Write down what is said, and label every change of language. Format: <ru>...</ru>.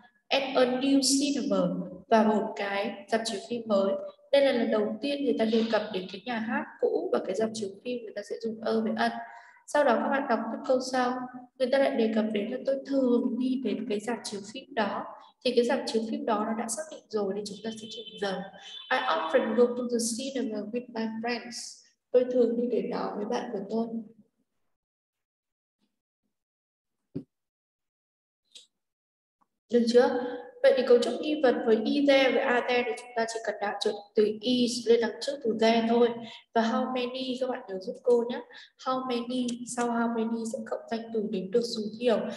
<en>And a new cinema.</en> <vi>Và một cái rạp chiếu phim mới. Đây là lần đầu tiên người ta đề cập đến cái nhà hát cũ và cái rạp chiếu phim, người ta sẽ dùng a với an. Sau đó các bạn đọc các câu sau. Người ta lại đề cập đến là tôi thường đi đến cái rạp chiếu phim đó. Thì cái rạp chiếu phim đó nó đã xác định rồi nên chúng ta sẽ chuyển giờ.</vi> <en>I often go to the cinema with my friends.</en> <vi>Tôi thường đi đến đó với bạn của tôi. Được chưa? Vậy thì cấu trúc nghi vấn với is there với are there thì chúng ta chỉ cần đảo chuẩn từ is lên đằng trước từ there thôi. Và how many, các bạn nhớ giúp cô nhé. How many, sau how many sẽ cộng danh từ đến được số hiểu.</vi>